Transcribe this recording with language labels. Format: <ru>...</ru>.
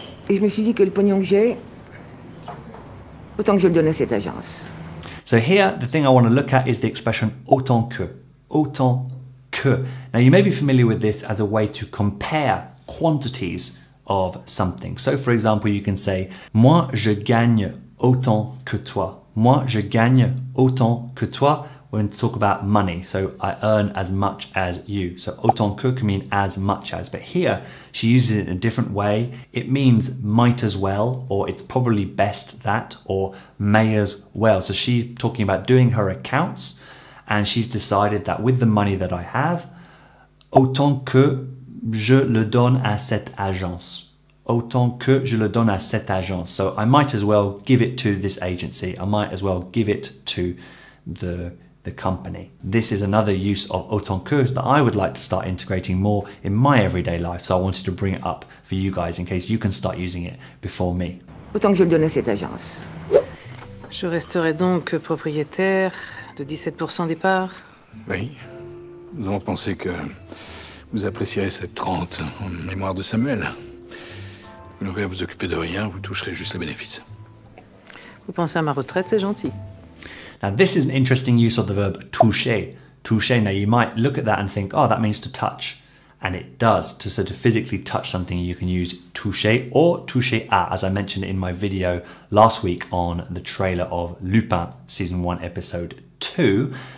<fr>Et je me suis dit que le pognon que j'ai, autant que je le donne à cette agence.</fr> <en>So here, the thing I want to look at is the expression autant que. Autant que. Now, you may be familiar with this as a way to compare quantities of something. So, for example, you can say,</en> <fr>moi, je gagne autant que toi. Moi, je gagne autant que toi.</fr> <en>We're going to talk about money. So, I earn as much as you. So, autant que can mean as much as. But here, she uses it in a different way. It means might as well, or it's probably best that, or may as well. So, she's talking about doing her accounts, and she's decided that with the money that I have,</en> <fr>autant que je le donne à cette agence. Autant que je le donne à cette agence.</fr> <en>So, I might as well give it to this agency. I might as well give it to the company. This is another use of autant que that I would like to start integrating more in my everyday life. So I wanted to bring it up for you guys in case you can start using it before me.</en> <fr>Autant que je le donne à cette agence. Je resterai donc propriétaire de 17% des parts. Oui. Nous avons pensé que vous apprécierez cette 30 en mémoire de Samuel. Vous n'aurez à vous occuper de rien, vous toucherez juste les bénéfices. Vous pensez à ma retraite, c'est gentil.</fr> <en>Now, this is an interesting use of the verb toucher. Toucher, now you might look at that and think, oh, that means to touch. And it does. To sort of physically touch something, you can use toucher or toucher à, as I mentioned in my video last week on the trailer of Lupin, season 1, episode 2.</en>